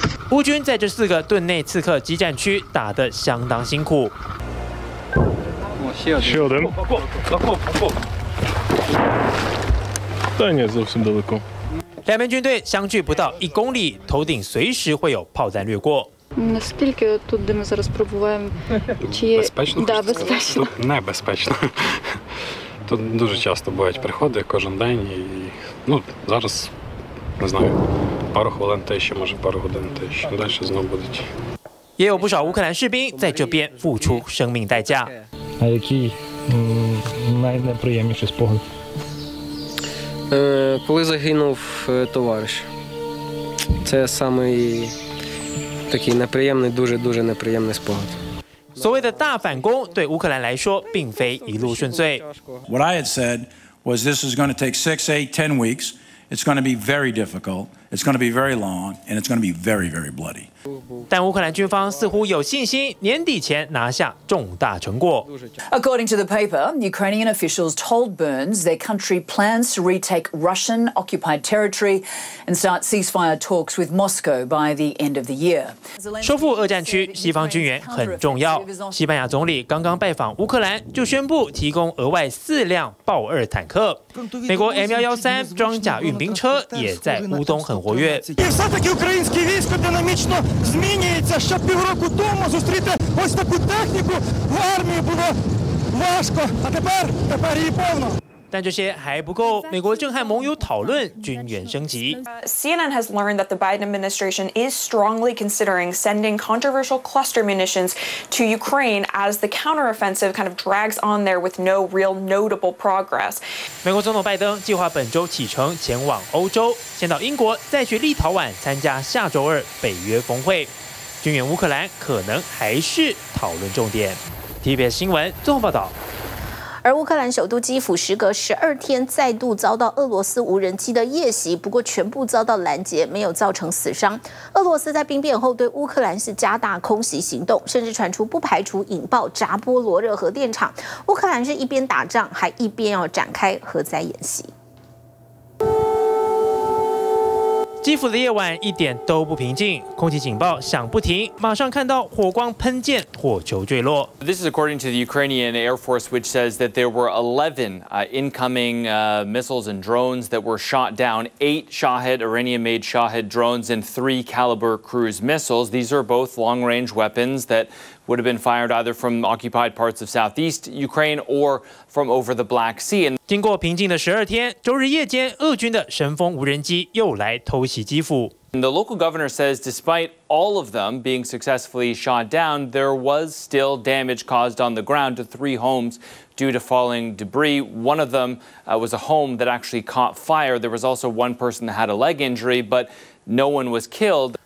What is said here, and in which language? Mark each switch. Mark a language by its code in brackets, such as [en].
[zh] 乌军在这四个顿内茨克激战区打得相当辛苦。两边军队相距不到1公里，头顶随时会有炮弹掠过。 [uk] Наскільки тут, де ми зараз перебуваємо, чи є безпечно? Да, безпечно. Тут небезпечно. Тут дуже часто бувають приходи кожен день. І, ну, зараз, не знаю, пару хвилин тиші, може пару годин тиші. Далі знову будуть. Є у багато українських військових в цьому житті життя. А який найнеприємніший спогад? Коли загинув товариш. Це саме... такий неприємний, дуже-дуже неприємний спогад. [zh] 所谓的大反攻对乌克兰来说并非一路顺遂。 [en] What I had said was this is going to take 6, 8, 10 weeks. It's going to be very difficult. It's going to be very long. And it's going to be very, very bloody. [zh] 但乌克兰军方似乎有信心年底前拿下重大成果。 [en] According to the paper, Ukrainian officials told Burns their country plans to retake Russian occupied territory and start ceasefire talks with Moscow by the end of the year. [zh] 收复俄战区，西方军援很重要。西班牙总理刚刚拜访乌克兰，就宣布提供额外四辆豹二坦克。美国 M113 装甲运兵车也在乌东很活跃。 [uk] змінюється, що півроку тому зустріти ось таку техніку в армії було важко, а тепер її повно. [zh] 但这些还不够，美国正和盟友讨论军援升级。 [en] CNN has learned that the Biden administration is strongly considering sending controversial cluster munitions to Ukraine as the counteroffensive kind of drags on there with no real notable progress. [zh] 美国总统拜登计划本周启程前往欧洲，先到英国，再去立陶宛参加下周二北约峰会。军援乌克兰可能还是讨论重点。 TVBS 新闻综合报道。而乌克兰首都基辅时隔12天再度遭到俄罗斯无人机的夜袭，不过全部遭到拦截，没有造成死伤。俄罗斯在兵变后对乌克兰是加大空袭行动，甚至传出不排除引爆扎波罗热核电厂。乌克兰是一边打仗，还一边要展开核灾演习。基辅的夜晚一点都不平静，空气警报响不停，马上看到火光喷溅，火球坠落。 [en] This is according to the Ukrainian Air Force, which says that there were 11 incoming missiles and drones that were shot down. 8 Shahed, Iranian-made Shahed drones and 3 caliber cruise missiles. These are both long-range weapons that would have been fired either from occupied parts of southeast Ukraine or from over the Black Sea. [zh] 经过平静的十二天，周日夜间，俄军的神风无人机又来偷袭基辅。 [en] And the local governor says despite all of them being successfully shot down, there was still damage caused on the ground to 3 homes due to falling debris. One of them was a home that actually caught fire. There was also one person that had a leg injury, but no one was killed.